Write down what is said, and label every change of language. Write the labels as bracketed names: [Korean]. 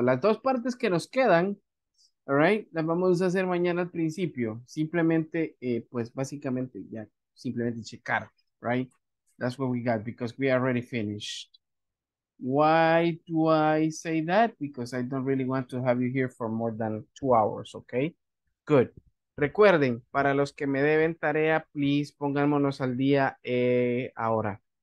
[Spanish] Las dos partes que nos quedan, [English] all right, [Spanish] las vamos a hacer mañana al principio. Simplemente, pues básicamente, ya, simplemente checar, right? [English] That's what we got because we already finished. Why do I say that? Because I don't really want to have you here for more than 2 hours, okay? Good. [Spanish] Recuerden, para los que me deben tarea, [English] please [Spanish] pongámonos al día ahora.